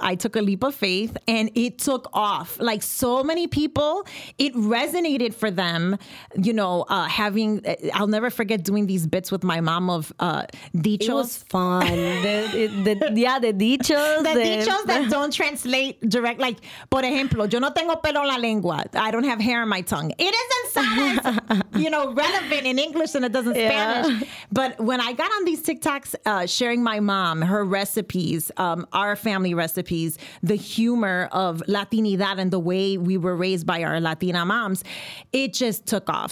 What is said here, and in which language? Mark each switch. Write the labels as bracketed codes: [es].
[en] I took a leap of faith, and it took off. Like, so many people, it resonated for them, you know, having, I'll never forget doing these bits with my mom of dichos. It was fun. the dichos that don't translate direct. [es] Like, por ejemplo, yo no tengo pelo en la lengua. [en] I don't have hair on my tongue. It isn't sometimes, you know, relevant in English and it doesn't Spanish. Yeah. But when I got on these TikToks sharing my mom, her recipes, our family recipes, the humor of Latinidad and the way we were raised by our Latina moms, it just took off.